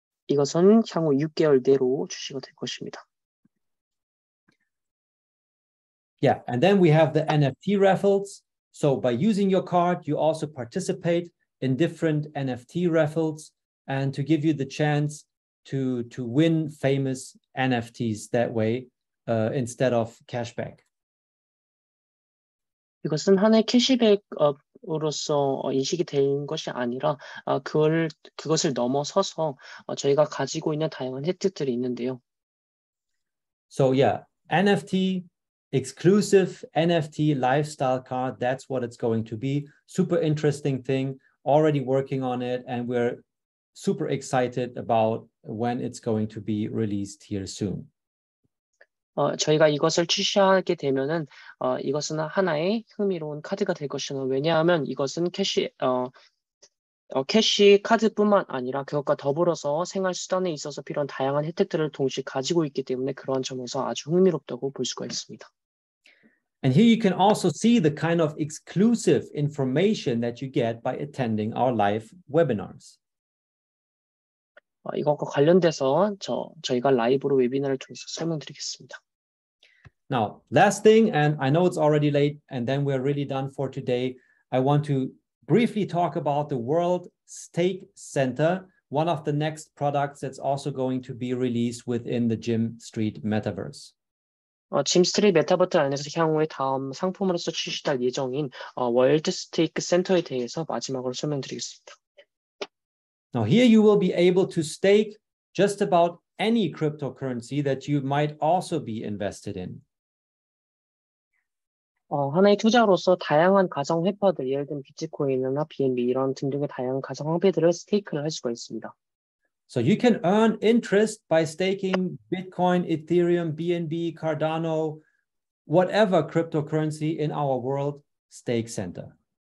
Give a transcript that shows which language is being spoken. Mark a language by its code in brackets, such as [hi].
[ko] 이것은 향후 6개월 내로 출시가 될 것입니다. [en] Yeah, and then we have the NFT raffles. So by using your card, you also participate in different NFT raffles and to give you the chance to win famous NFTs that way instead of cashback. [ko] 이것은 하나의 캐시백 으로서 인식이 된 것이 아니라 그것을 넘어서서 저희가 가지고 있는 다양한 혜택들이 있는데요. [en] So yeah, NFT exclusive NFT lifestyle card, that's what it's going to be. Super interesting thing, already working on it and we're super excited about when it's going to be released here soon. [ko] 저희가 이것을 출시하게 되면은 이것은 하나의 흥미로운 카드가 될 것이며 왜냐하면 이것은 캐시 카드뿐만 아니라 그것과 더불어서 생활 수단에 있어서 필요한 다양한 혜택들을 동시에 가지고 있기 때문에 그러한 점에서 아주 흥미롭다고 볼 수가 있습니다. [en] And here you can also see the kind of exclusive information that you get by attending our live webinars. [ko] 이것과 관련돼서 저희가 라이브로 웨비나를 통해서 설명드리겠습니다. [en] Now, last thing, and I know it's already late, and then we're really done for today. I want to briefly talk about the World Stake Center, one of the next products that's also going to be released within the Gym Street Metaverse. [ko] Gym Street Metaverse 안에서 향후에 다음 상품으로서 출시될 예정인 World Stake Center에 대해서 마지막으로 설명드리겠습니다. [en] Now here you will be able to stake just about any cryptocurrency that you might also be invested in. [ko] 하나의 투자로서 다양한 가상 화폐들, 예를 들면 비트코인이나 BNB 이런 등등의 다양한 가상 화폐들을 스테이크를 할 수가 있습니다. [en] So you can earn interest by staking Bitcoin, Ethereum, BNB, Cardano, whatever cryptocurrency in our world stake center.